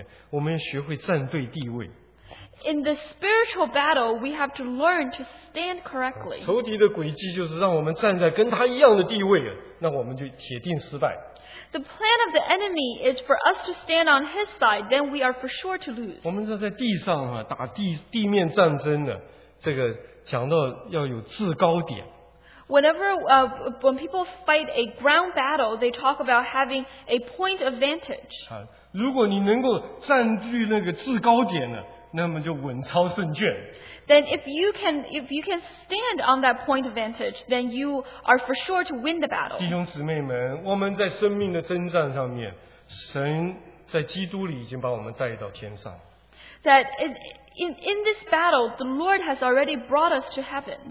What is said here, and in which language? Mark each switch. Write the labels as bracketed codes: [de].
[zh] 我们在属灵的征战挣扎的里面，我们学会站对地位。 [en] In the spiritual battle, we have to learn to stand correctly. [zh] 仇敌的诡计就是让我们站在跟他一样的地位，那我们就铁定失败。 [en] The plan of the enemy is for us to stand on his side, then we are for sure to lose. [zh] 我们说在地上啊，打地面战争的，这个讲到要有制高点。 [en] Whenever when people fight a ground battle, they talk about having a point of vantage. [zh] 啊，如果你能够占据那个制高点呢？那么就稳操胜券。 [en] Then if you can stand on that point of vantage, then you are for sure to win the battle. [zh] 弟兄姊妹们, 我们在生命的征战上面, 神在基督里已经把我们带到天上。 [en] That in this battle, the Lord has already brought us to heaven.